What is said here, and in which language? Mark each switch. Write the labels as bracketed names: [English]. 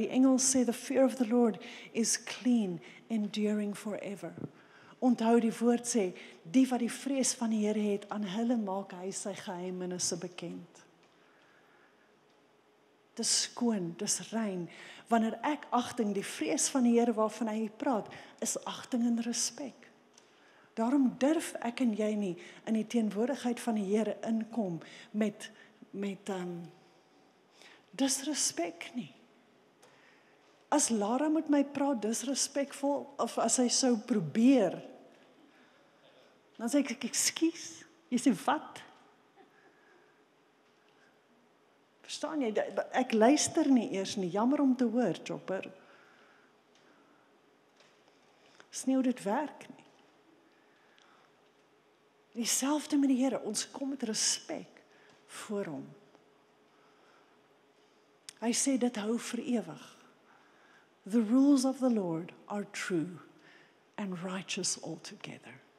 [Afrikaans] Die engel sê, [English] the fear of the Lord is clean, enduring forever. [Afrikaans] Onthou die woord sê, die wat die vrees van die Here het, aan hulle maak hy sy geheimenisse bekend. Dis skoon, dis rein. Wanneer ek achting, die vrees van die Here waarvan hy praat, is achting en respek. Daarom durf ek en jy nie in die teenwoordigheid van die Here inkom met disrespek nie. As Lara met my praat disrespekvol, of as hy sou probeer, dan sê ek, excuse, jy sê wat? Verstaan jy, ek luister nie eers nie, jammer om te hoor, chopper. Dis nie hoe dit werk nie. Dieselfde met die Here, ons kom met respek voor hom. Hy sê, dit hou vir ewig. [English] The rules of the Lord are true and righteous altogether.